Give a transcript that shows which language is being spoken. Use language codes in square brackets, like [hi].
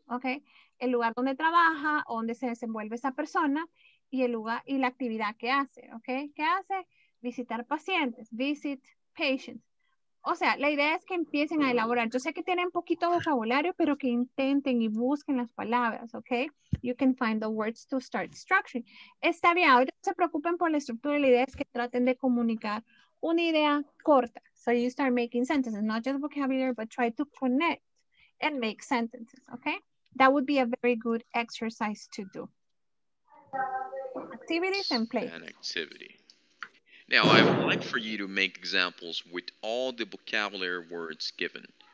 [es] Okay, el lugar donde trabaja, donde se desenvuelve esa persona. Y el lugar y la actividad que hace, ¿ok? ¿Qué hace? Visitar pacientes, [en] visit patients. [es] O sea, la idea es que empiecen a elaborar. Yo sé que tienen poquito vocabulario, pero que intenten y busquen las palabras, ¿ok? [en] You can find the words to start structuring. [es] Está bien, ahorita se preocupen por la estructura. La idea es que traten de comunicar una idea corta. [en] So you start making sentences, not just vocabulary, but try to connect and make sentences, ¿ok? That would be a very good exercise to do. Activities and play. An activity. Now, I would like for you to make examples with all the vocabulary words given.